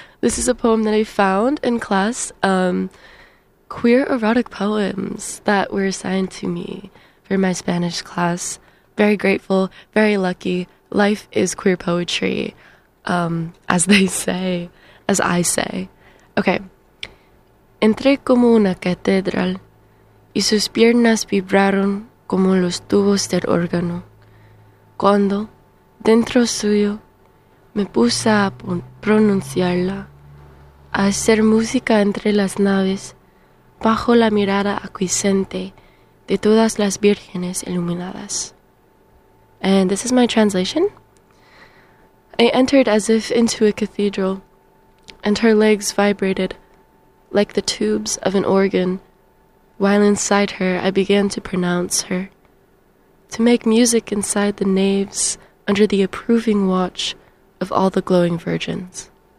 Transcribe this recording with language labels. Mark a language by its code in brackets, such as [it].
[en] This is a poem that I found in class, Queer Erotic Poems, that were assigned to me for my Spanish class. Very grateful, very lucky. Life is queer poetry, as they say, as I say. Okay. [es] Entré como una catedral, y sus piernas vibraron como los tubos del órgano. Cuando, dentro suyo, me puse a pronunciarla, a hacer música entre las naves, bajo la mirada acuisente de todas las vírgenes iluminadas. [en] And this is my translation. I entered as if into a cathedral, and her legs vibrated like the tubes of an organ, while inside her I began to pronounce her, to make music inside the naves under the approving watch of all the glowing virgins.